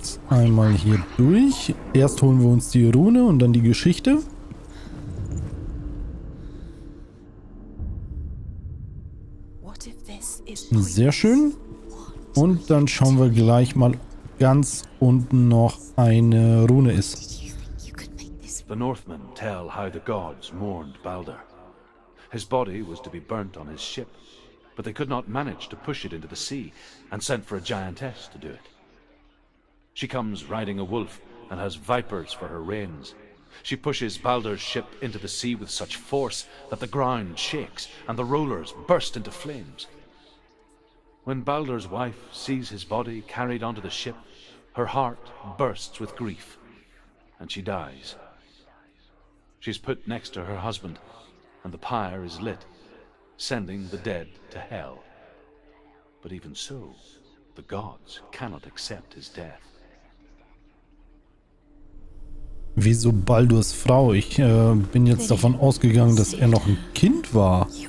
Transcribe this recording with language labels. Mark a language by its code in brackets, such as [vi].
[de] Einmal hier durch. Erst holen wir uns die Rune und dann die Geschichte. Sehr schön. Und dann schauen wir gleich mal, ganz unten noch eine Rune ist. [en] The Northmen tell how the gods mourned Baldur. His body was to be burnt on his ship, but they could not manage to push it into the sea, and sent for a giantess to do it. She comes riding a wolf and has vipers for her reins. She pushes Baldur's ship into the sea with such force that the ground shakes and the rollers burst into flames. When Baldur's wife sees his body carried onto the ship, her heart bursts with grief, and she dies. She's put next to her husband, and the pyre is lit, sending the dead to hell. But even so, the gods cannot accept his death. [de] Wieso Baldurs Frau? Ich bin jetzt davon ausgegangen, dass er noch ein Kind war.